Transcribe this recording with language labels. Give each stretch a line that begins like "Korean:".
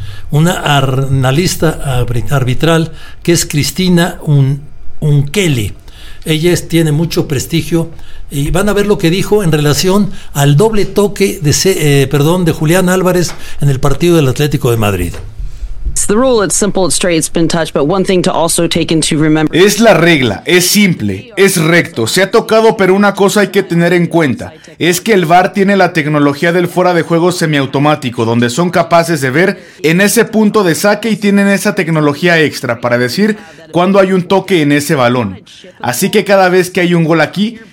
Spanish: Una analista arbitral que es Cristina Unkele. Ella tiene mucho prestigio, y van a ver lo que dijo en relación al doble toque de Julián Álvarez en el partido del Atlético de Madrid.
English: The rule, it's simple, it's straight, it's been touched, but one thing to also take into remember.
Spanish: Es la regla, es simple, es recto, se ha tocado, pero una cosa hay que tener en cuenta, es que el VAR tiene la tecnología del fuera de juego semiautomático, donde son capaces de ver en ese punto de saque y tienen esa tecnología extra para decir cuando hay un toque en ese balón. Así que cada vez que hay un gol aquí,